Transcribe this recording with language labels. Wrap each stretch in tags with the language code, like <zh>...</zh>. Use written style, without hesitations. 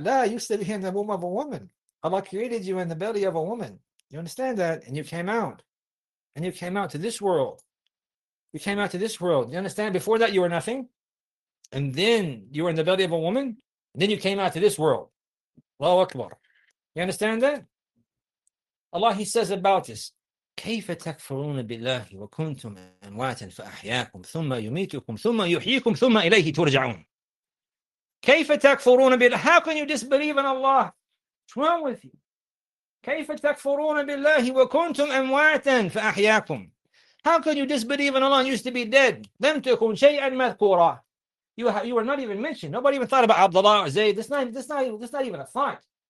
<en>La, you said you're in the womb of a woman. Allah created you in the belly of a woman. You understand that? And you came out. And you came out to this world. You came out to this world. You understand? Before that, you were nothing. And then you were in the belly of a woman. And then you came out to this world. Allahu Akbar. You understand that? Allah, he says about this,</en> <ar>كَيْفَ تَكْفُرُونَ بِاللَّهِ وَكُنْتُمْ أَمْوَاتًا فَأَحْيَاكُمْ ثُمَّ يُمِيتُكُمْ ثُمَّ يُحْيِيكُمْ ثُمَّ إِلَيْهِ تُرْجَعُونَ كَيْفَ تَكْفُرُونَ بِاللَّهِ.</ar> <en>How can you disbelieve in Allah? What's wrong with you?</en> <ar>كَيْفَ تَكْفُرُونَ بِاللَّهِ وَكُنْتُمْ أَمْوَاتًا فَأَحْيَاكُمْ.</ar> <en>How can you disbelieve in Allah? You used to be dead.</en> <ar>لَمْ تَكُنْ شَيْئًا مَذْكُورًا.</ar> <en>You were not even mentioned. Nobody even thought about Abdullah or Zayd. That's not even a thought.</en>